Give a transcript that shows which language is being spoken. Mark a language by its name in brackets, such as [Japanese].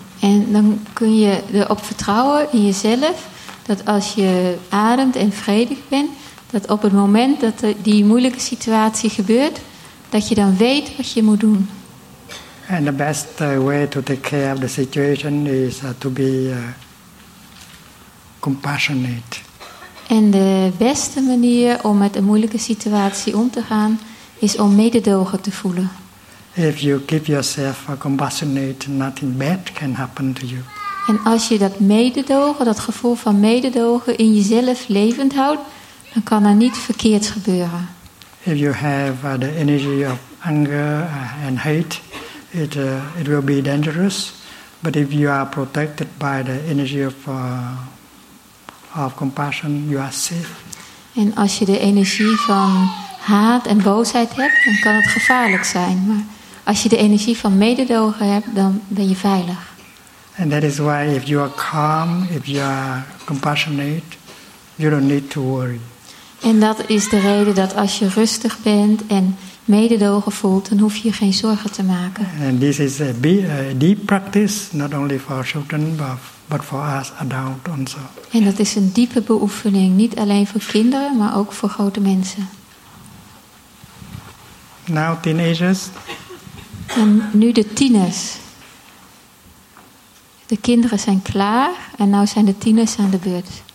[Dutch] En dan kun je erop vertrouwen in jezelf, dat als je ademt en vredig bent, dat op het moment dat die moeilijke situatie gebeurt, dat je dan weet wat je moet doen. [English] And the best way to take care of the situation is to be compassionate. [Dutch] En de beste manier om met een moeilijke situatie om te gaan, is om mededogen te voelen. [English] If you keep yourself compassionate, nothing bad can happen to you. [Dutch] En als je dat mededogen, dat gevoel van mededogen in jezelf levend houdt, dan kan er niet verkeerd gebeuren. [English] If you have the energy of anger and hate, it will be dangerous. But if you are protected by the energy of compassion, you are safe. [Dutch] En als je de energie van haat en boosheid hebt, dan kan het gevaarlijk zijn. Maar als je de energie van mededogen hebt, dan ben je veilig. [English] And that is why if you are calm, if you are compassionate, you don't need to worry. [Dutch] En dat is de reden dat als je rustig bent en mededogen voelt, dan hoef je geen zorgen te maken. [English] And this is a deep practice, not only for children, but for us adults also. [Dutch] En dat is een diepe beoefening, niet alleen voor kinderen, maar ook voor grote mensen. [English] Now teenagers. [Dutch] En nu de tieners. De kinderen zijn klaar en nu zijn de tieners aan de beurt.